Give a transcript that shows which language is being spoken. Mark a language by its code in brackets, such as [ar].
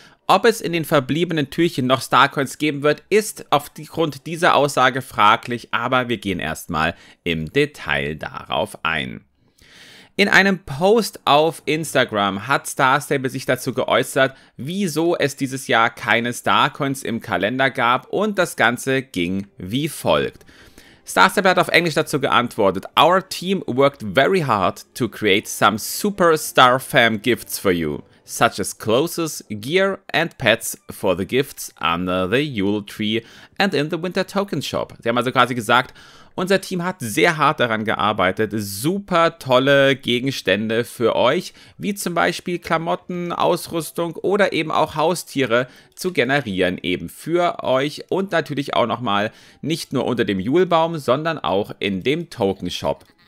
[de] Ob es in den verbliebenen Türchen noch Starcoins geben wird, ist aufgrund dieser Aussage fraglich, aber wir gehen erstmal im Detail darauf ein. In einem Post auf Instagram hat Star Stable sich dazu geäußert, wieso es dieses Jahr keine Starcoins im Kalender gab, und das Ganze ging wie folgt. Star Stable hat auf Englisch dazu geantwortet: [en] Our team worked very hard to create some super Star Fam gifts for you, such as clothes, gear and pets for the gifts under the Yule tree and in the Winter Token Shop. [de] Sie haben also quasi gesagt, unser Team hat sehr hart daran gearbeitet, super tolle Gegenstände für euch, wie zum Beispiel Klamotten, Ausrüstung oder eben auch Haustiere zu generieren, eben für euch und natürlich auch nochmal nicht nur unter dem Julbaum, sondern auch in dem Token Shop.